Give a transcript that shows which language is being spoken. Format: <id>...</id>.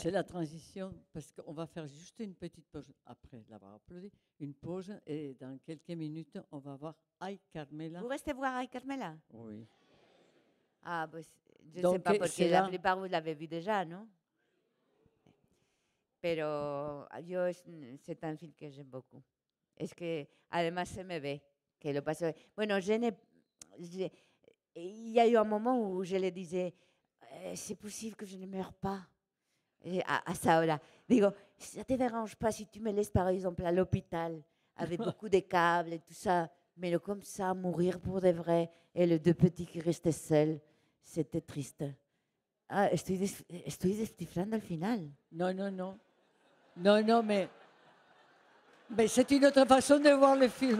<fr>C'est la transition, parce qu'on va faire juste une petite pause, après l'avoir applaudi, une pause, et dans quelques minutes, on va voir Ay Carmela. Vous restez voir Ay Carmela? Oui. Ah, bah, je ne sais pas, parce que la plupart, vous l'avez vu déjà, non?</fr> <es>Pero yo,</es> <fr>c'est un film que j'aime beaucoup.</fr> <es>Es que, además, se me ve que lo paso... Bueno,</es> <fr>il y a eu un moment où je le disais, c'est possible que je ne meure pas à ça, là. Digo, ça ne te dérange pas si tu me laisses, par exemple, à l'hôpital, avec beaucoup de câbles et tout ça, mais comme ça, mourir pour de vrai, et les deux petits qui restaient seuls, c'était triste.</fr> <es>Ah, estoy descifrando al final.</es> <fr>Non, non, non. Non, non, mais... Mais c'est une autre façon de voir le film.</fr>